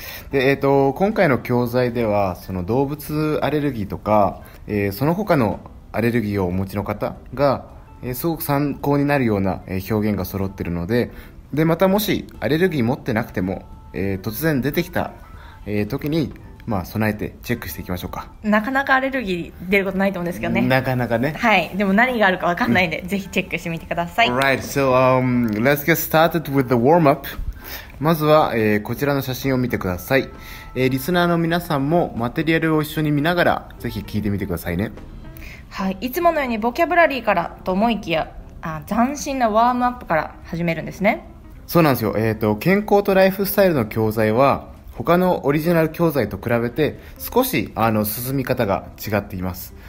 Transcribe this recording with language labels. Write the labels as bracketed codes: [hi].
[ja] で、今回の教材ではその動物アレルギーとか、その他のアレルギーをお持ちの方が、すごく参考になるような表現が揃っているの でまたもしアレルギー持ってなくても、突然出てきた、時にまあ、備えてチェックしていきましょうか。なかなかアレルギー出ることないと思うんですけどね。なかなかね、はい、でも何があるか分かんないんで、うん、ぜひチェックしてみてください。 [en] Alright, so, let's get started with the warm up. [ja] まずは、こちらの写真を見てください。リスナーの皆さんもマテリアルを一緒に見ながらぜひ聞いてみてくださいね。はい、いつものようにボキャブラリーからと思いきや、あ、斬新なワームアップから始めるんですね。そうなんですよ、健康とライフスタイルの教材は他のオリジナル教材と比べて少しあの進み方が違っています。